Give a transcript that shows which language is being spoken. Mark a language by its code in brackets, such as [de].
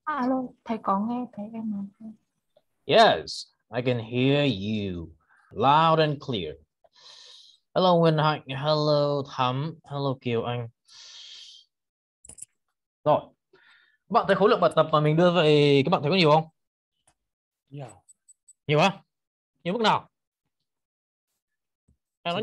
[vi] Alo, thầy có nghe thấy em không? [en] Yes, I can hear you loud and clear. Hello Nguyên Hạnh, hello Thắm, hello Kiều Anh. [vi] Rồi, bạn thấy khối lượng bài tập mà mình đưa về, các bạn thấy có nhiều không? Nhiều. Nhiều á? Nhiều mức nào? Em nói